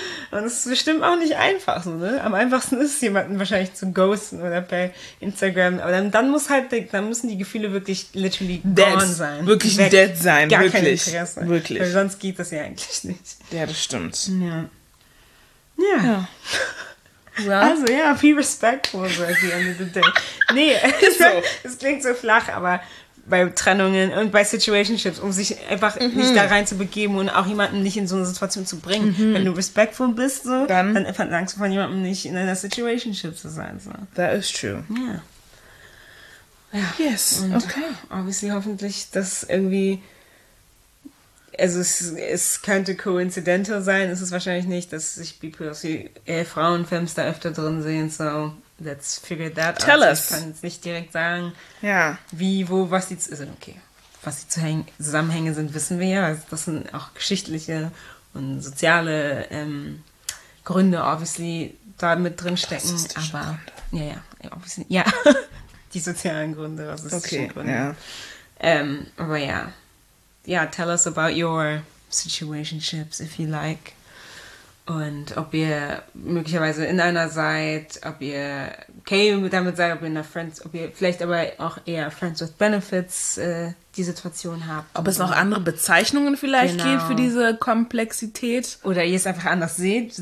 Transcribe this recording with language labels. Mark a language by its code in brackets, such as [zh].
[de] Und es ist bestimmt auch nicht einfach so, ne? Am einfachsten ist es, jemanden wahrscheinlich zu ghosten oder per Instagram. Aber dann müssen die Gefühle wirklich [en] literally dead gone [de] sein. Wirklich weg. Dead sein. Gar wirklich. Kein Interesse. Wirklich. Weil sonst geht das ja eigentlich nicht. Ja, das stimmt. Ja. Ja. [en] Well. [de] Also ja, [en] be respectful so at the end of the day. [de] Nee, es klingt so flach, aber bei Trennungen und bei Situationships, um sich einfach nicht da rein zu begeben und auch jemanden nicht in so eine Situation zu bringen. Mhm. Wenn du respectful bist, so, dann verlangst du von jemandem nicht in einer Situationship zu sein. So. [en] That is true. Yeah. [de] Ja. [en] Yes, [de] und okay. Obviously hoffentlich, dass irgendwie, also es könnte coincidental sein, es ist wahrscheinlich nicht, dass sich Frauenfans da öfter drin sehen, so. [en] Let's figure that out. Tell us. [de] Ich kann jetzt nicht direkt sagen, wie, wo, was die Zusammenhänge sind, wissen wir ja. Also das sind auch geschichtliche und soziale Gründe, obviously, da mit drinstecken. Aber Gründe. Ja, obviously, ja. Die sozialen Gründe, rassistischen Gründe. Aber ja. Ja, [en] tell us about your situationships, if you like. [de] Und ob ihr möglicherweise in einer seid, ob ihr okay damit seid, ob ihr in einer Friends, ob ihr vielleicht aber auch eher Friends with Benefits die Situation habt. Ob es noch andere Bezeichnungen vielleicht gibt für diese Komplexität. Oder ihr es einfach anders seht.